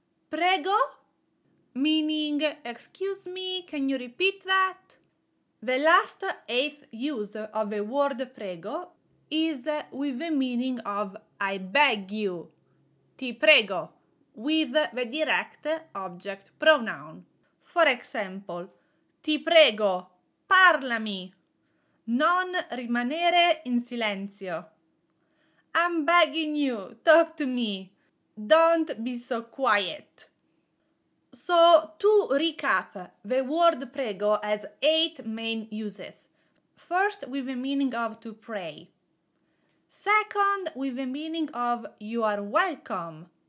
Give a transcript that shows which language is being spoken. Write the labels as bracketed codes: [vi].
[en] Prego, meaning excuse me, can you repeat that? The last 8th use of the word prego is with the meaning of I beg you, [it] ti prego, [en] with the direct object pronoun. For example, [it] ti prego, parlami, non rimanere in silenzio. [en] I'm begging you, talk to me, don't be so quiet. So, to recap, the word prego has 8 main uses. First, with the meaning of to pray. Second, with the meaning of you are welcome.